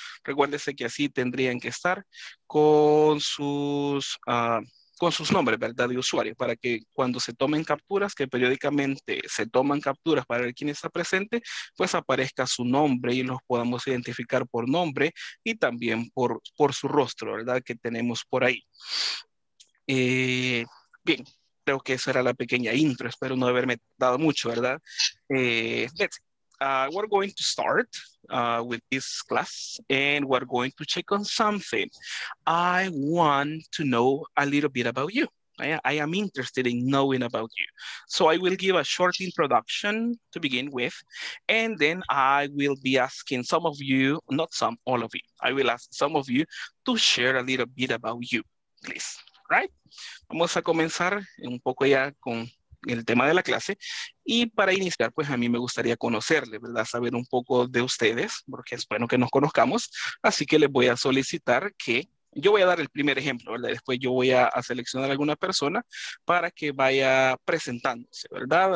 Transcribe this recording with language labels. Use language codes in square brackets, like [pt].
[es] Recuérdense que así tendrían que estar con sus nombres, ¿verdad?, de usuario, para que cuando se tomen capturas, que periódicamente se toman capturas para ver quién está presente, pues aparezca su nombre y los podamos identificar por nombre y también por su rostro, ¿verdad?, que tenemos por ahí. Bien, creo que esa era la pequeña intro, espero no haberme dado mucho, ¿verdad? [en] We're going to start with this class, and we're going to check on something. I want to know a little bit about you. I am interested in knowing about you. So I will give a short introduction to begin with, and then I will be asking some of you, not some, all of you, I will ask some of you to share a little bit about you, please. Right? [es] Vamos a comenzar un poco ya con el tema de la clase. Y para iniciar, pues a mí me gustaría conocerle, ¿verdad? Saber un poco de ustedes, porque es bueno que nos conozcamos. Así que les voy a solicitar que, yo voy a dar el primer ejemplo, ¿verdad? Después yo voy a seleccionar alguna persona para que vaya presentándose, ¿verdad?